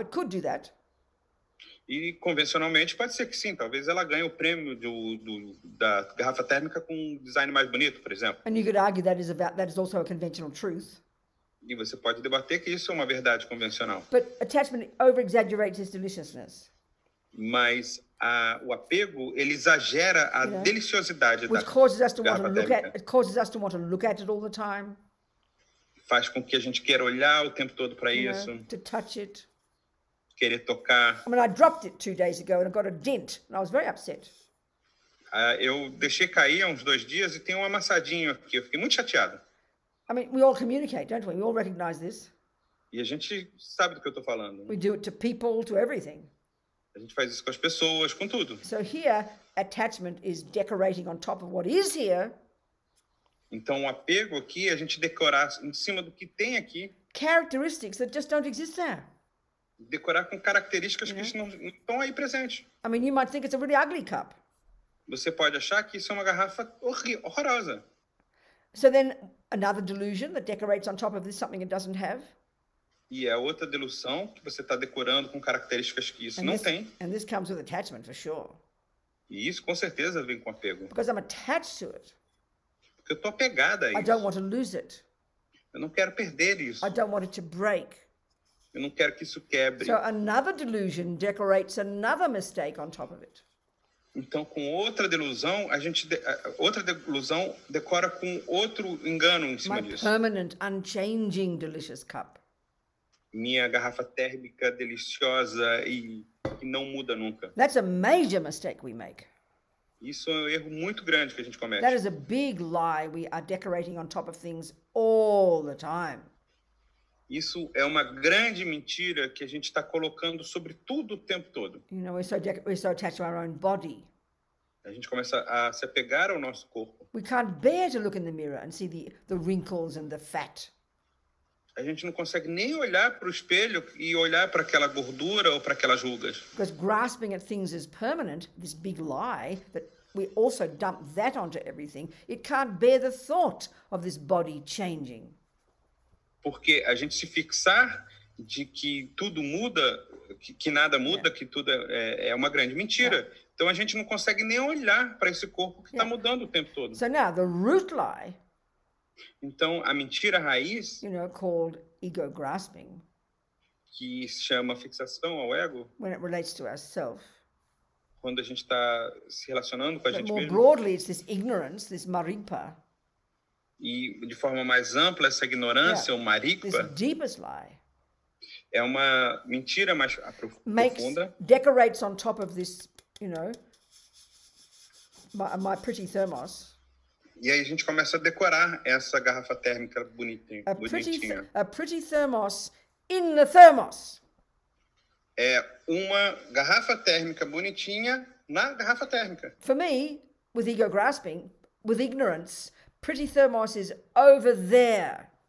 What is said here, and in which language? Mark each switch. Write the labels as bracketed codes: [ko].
[en] It could do that. [pt] E convencionalmente pode ser que sim. Talvez ela ganhe o prêmio da garrafa térmica com um design mais bonito, por exemplo. [en] And you could argue that is also a conventional truth. [pt] E você pode debater que isso é uma verdade convencional. [en] But attachment over-exaggerates its deliciousness. [pt] Mas o apego, ele exagera a deliciosidade da garrafa térmica. Faz com que a gente queira olhar o tempo todo para isso. [en] To touch it. [pt] Querer tocar. [en] I mean, I dropped it 2 days ago and I got a dent and I was very upset. [pt] Eu deixei cair há uns 2 dias e tem um amassadinho aqui. Eu fiquei muito chateado. [en] I mean, we all communicate, don't we? We all recognize this. [pt] E a gente sabe do que eu estou falando. [en] We do it to people, to everything. [pt] A gente faz isso com as pessoas, com tudo. [en] So here, attachment is decorating on top of what is here. [pt] Então, o apego aqui, a gente decorar em cima do que tem aqui. [en] Characteristics that just don't exist there. [pt] Decorar com características que não estão aí presentes. [en] I mean, you might think it's a really ugly cup. [pt] Você pode achar que isso é uma garrafa horrorosa. [en] So then, another delusion that decorates on top of this something it doesn't have. [pt] E é outra delusão que você está decorando com características que isso não tem. [en] And this comes with attachment, for sure. [pt] E isso com certeza vem com apego. [en] Because I'm attached to it. [pt] Porque eu estou apegada a isso. [en] I don't want to lose it. [pt] Eu não quero perder isso. [en] I don't want it to break. [pt] Eu não quero que isso quebre. [en] So another delusion decorates another mistake on top of it. [pt] Então, com outra delusão, outra delusão decora com outro engano em cima disso. [en] My permanent, unchanging, delicious cup. [pt] Minha garrafa térmica deliciosa e que não muda nunca. [en] That's a major mistake we make. [pt] Isso é um erro muito grande que a gente comete. [en] That is a big lie we are decorating on top of things all the time. [pt] Isso é uma grande mentira que a gente está colocando sobre tudo o tempo todo. [en] You know, we're so attached to our own body. [pt] A gente começa a se apegar ao nosso corpo. [en] We can't bear to look in the mirror and see the wrinkles and the fat. [pt] A gente não consegue nem olhar para o espelho e olhar para aquela gordura ou para aquelas rugas. [en] Because grasping at things is permanent, this big lie, that we also dump that onto everything, it can't bear the thought of this body changing. [pt] Porque a gente se fixar de que tudo muda, que nada muda, que tudo é uma grande mentira. Yeah. Então a gente não consegue nem olhar para esse corpo que está mudando o tempo todo. [en] So now, the root lie... [pt] Então, a mentira raiz, [en] you know, called ego grasping, [pt] que se chama fixação ao ego, [en] when it relates to ourself, [pt] quando a gente está se relacionando com a gente [en] more [pt] mesmo, [en] broadly, it's this ignorance, this maripa, [pt] e de forma mais ampla, essa ignorância, ou maripa, [en] this deepest lie, [pt] é uma mentira mais profunda, [en] decorates on top of this, you know, my pretty thermos. [pt] E aí a gente começa a decorar essa garrafa térmica bonitinha. [en] A pretty thermos in the thermos. [pt] É uma garrafa térmica bonitinha na garrafa térmica. [en] For me, with ego grasping, with ignorance, pretty thermos is over there.